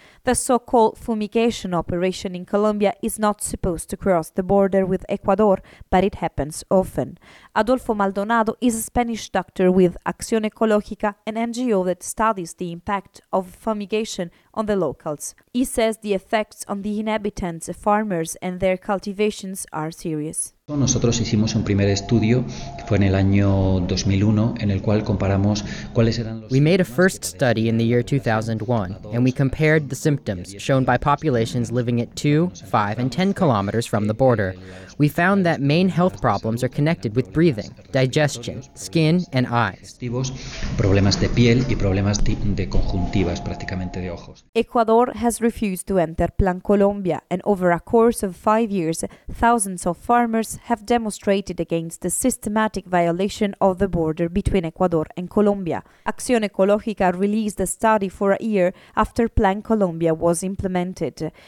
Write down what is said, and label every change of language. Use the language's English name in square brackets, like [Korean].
[English] The so-called fumigation operation in Colombia is not supposed to cross the border with Ecuador, but it happens often. Adolfo Maldonado is a Spanish doctor with Acción Ecológica, an NGO that studies the impact of fumigation on the locals. He says the effects on the inhabitants, farmers and their cultivations are serious. [Spanish] Nosotros hicimos un primer estudio, fue en el año 2001, en el cual comparamos cuáles eran los... [English] We made a first study in the year 2001, and we compared the symptoms shown by populations living at 2, 5, and 10 kilometers from the border. We found that main health problems are connected with breathing, digestion, skin, and eyes. [Spanish] Problemas de piel y problemas de conjuntivas, prácticamente de ojos. [English] Ecuador has refused to enter Plan Colombia, and over a course of 5 years, thousands of farmers have demonstrated against the systematic violation of the border between Ecuador and Colombia. Acción Ecológica released a study for a year after Plan Colombia was implemented.